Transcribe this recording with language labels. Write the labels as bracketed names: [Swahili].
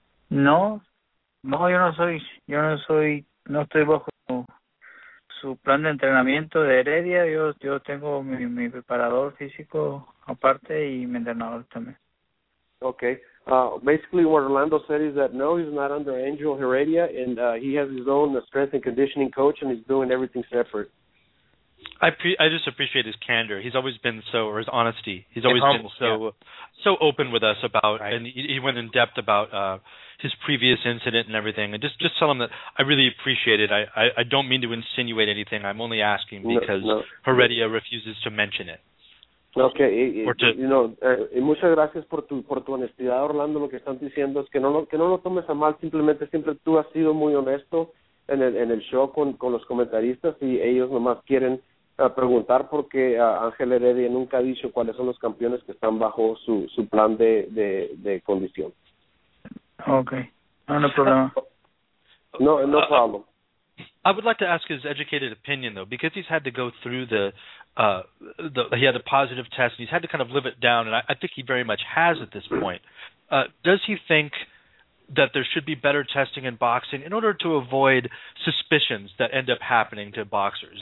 [Spanish] No. No, yo no estoy bajo su plan de entrenamiento de Heredia. Yo tengo mi preparador físico aparte y mi entrenador también. [English] Okay. Basically, what Orlando said is that no, he's not under Angel Heredia, and he has his own strength and conditioning coach, and he's doing everything separate. I just appreciate his candor. He's always been so, or his honesty. He's always humble, been so so open with us about, right. And he went in depth about his previous incident and everything. And just tell him that I really appreciate it. I don't mean to insinuate anything. I'm only asking because Heredia refuses to mention it. [Spanish] Okay, muchas gracias por tu honestidad, Orlando. Lo que están diciendo es que no lo tomes a mal. Simplemente siempre tú has sido muy honesto en el show con los comentaristas, y ellos nomás quieren preguntar porque Ángel Heredia nunca ha dicho cuáles son los campeones que están bajo su plan de condición. [English] Okay, no problem. No problem. I would like to ask his educated opinion, though, because he's had to go through he had a positive test, and he's had to kind of live it down, and I think he very much has at this point. Does he think that there should be better testing in boxing in order to avoid suspicions that end up happening to boxers?